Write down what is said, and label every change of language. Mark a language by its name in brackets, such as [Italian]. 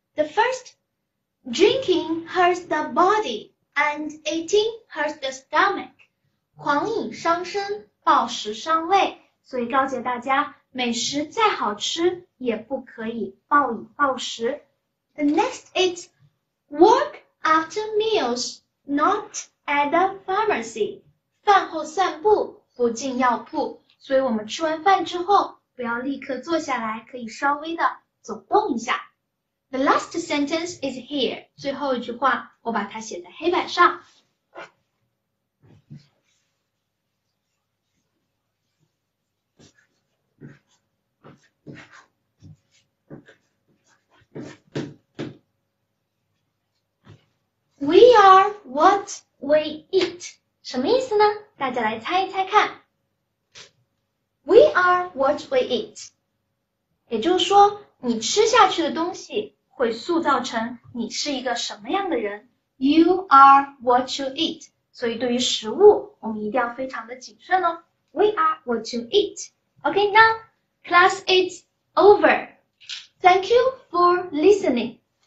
[English] The first,Drinking hurts the body and eating hurts the stomach. [Chinese] 狂饮伤身，暴食伤胃，所以告诫大家，美食再好吃也不可以暴饮暴食。 [English] The next is work after meals, not at the pharmacy. [Chinese] 饭后散步，不进药铺，所以我们吃完饭之后，不要立刻坐下来，可以稍微的走动一下。 [English] The last sentence is here. [Chinese] 最后一句话，我把它写在黑板上。 [English] We are what we eat. [Chinese] 什么意思呢？大家来猜一猜看。 [English] We are what we eat. [Chinese] 也就是说，你吃下去的东西会塑造成你是一个什么样的人。 [English] You are what you eat. [Chinese] 所以对于食物，我们一定要非常的谨慎哦。 [English] We are what you eat. Okay, now, class is over. Thank you for listening.